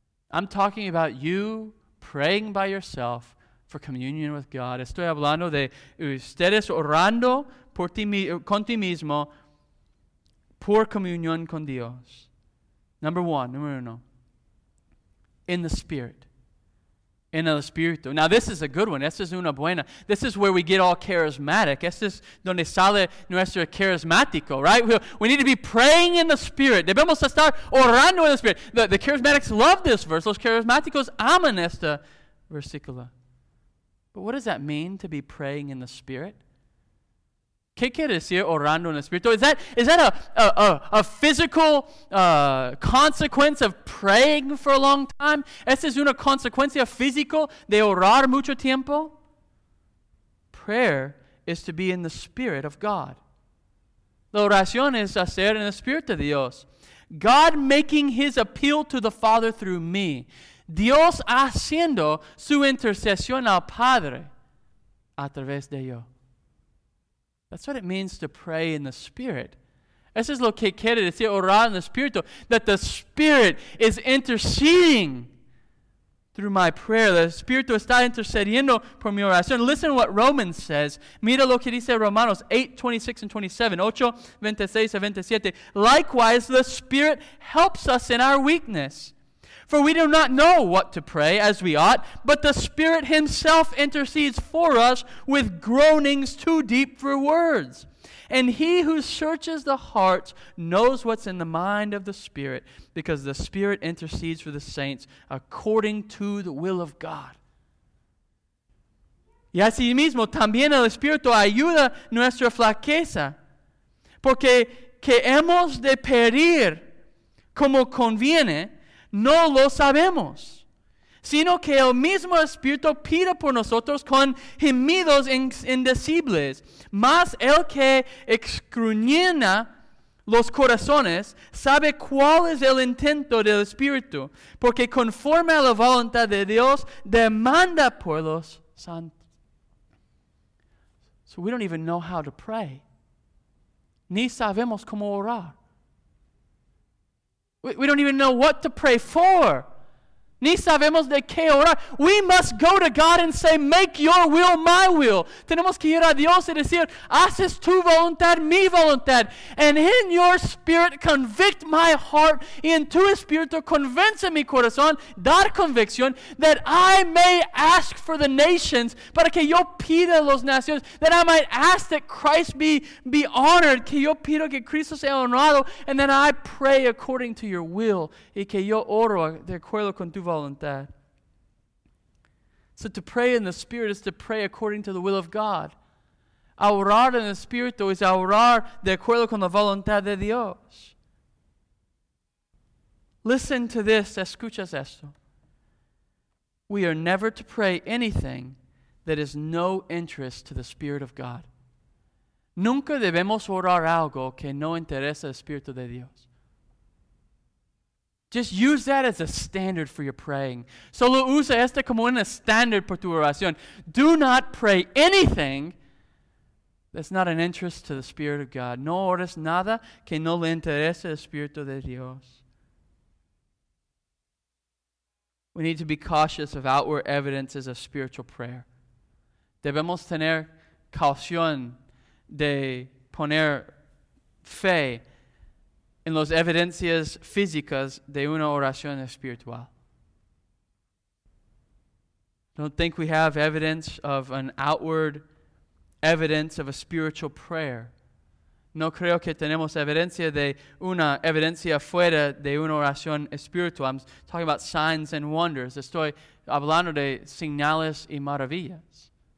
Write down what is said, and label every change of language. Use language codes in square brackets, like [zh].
[en] I'm talking about you praying by yourself for communion with God. [es] Estoy hablando de ustedes orando por ti, con ti mismo por comunión con Dios. Número uno. [en] In the Spirit. [es] En el Espíritu. [en] Now this is a good one. [es] Esta es una buena. [en] This is where we get all charismatic. [es] Esta es donde sale nuestro charismático, [en] right? We need to be praying in the Spirit. [es] Debemos estar orando en el Espíritu. [en] The charismatics love this verse. [es] Los charismáticos aman esta versículo. [en] But what does that mean to be praying in the Spirit? [es] ¿Qué quiere decir orando en el Espíritu? [en] Is that a physical consequence of praying for a long time? [es] ¿Esa es una consecuencia física de orar mucho tiempo? [en] Prayer is to be in the Spirit of God. [es] La oración es hacer en el Espíritu de Dios. [en] God making his appeal to the Father through me. [es] Dios haciendo su intercesión al Padre a través de yo. [en] That's what it means to pray in the Spirit. [es] Eso es lo que quiere decir orar en el Espíritu. [en] That the Spirit is interceding through my prayer. [es] The Espíritu está intercediendo por mi oración. [en] Listen to what Romans says. [es] Mira lo que dice Romanos 8:26 and 27. 8, 26 and 27. [en] Likewise, the Spirit helps us in our weakness. For we do not know what to pray as we ought, but the Spirit himself intercedes for us with groanings too deep for words. And he who searches the heart knows what's in the mind of the Spirit, because the Spirit intercedes for the saints according to the will of God. [es] Y así mismo, también el Espíritu ayuda nuestra flaqueza, porque que hemos de pedir como conviene, no lo sabemos, sino que el mismo Espíritu pide por nosotros con gemidos indecibles. Mas el que escudriña los corazones sabe cuál es el intento del Espíritu, porque conforme a la voluntad de Dios demanda por los santos. [en] So we don't even know how to pray. [es] Ni sabemos cómo orar. [en] We don't even know what to pray for. [es] Ni sabemos de qué orar. [en] We must go to God and say, make your will my will. [es] Tenemos que ir a Dios y decir, haces tu voluntad, mi voluntad. [en] And in your Spirit, convict my heart. [es] Y en tu Espíritu, convence mi corazón, dar convicción, [en] that I may ask for the nations, [es] para que yo pida a las naciones, [en] that I might ask that Christ be honored, [es] que yo pido que Cristo sea honrado, [en] and that I pray according to your will, [es] y que yo oro de acuerdo con tu voluntad. [en] So to pray in the Spirit is to pray according to the will of God. [es] A orar en el Espíritu es a orar de acuerdo con la voluntad de Dios. [en] Listen to this. [es] Escuchas esto. [en] We are never to pray anything that is no interest to the Spirit of God. [es] Nunca debemos orar algo que no interesa al Espíritu de Dios. [en] Just use that as a standard for your praying. [es] Solo usa esta como una standard por tu oración. [en] Do not pray anything that's not an interest to the Spirit of God. [es] No ores nada que no le interese al Espíritu de Dios. [en] We need to be cautious of outward evidences of spiritual prayer. [es] Debemos tener caución de poner fe en las evidencias físicas de una oración espiritual. [en] Don't think we have evidence of an outward evidence of a spiritual prayer. [es] No creo que tenemos evidencia de una evidencia fuera de una oración espiritual. [en] I'm talking about signs and wonders. [es] Estoy hablando de señales y maravillas.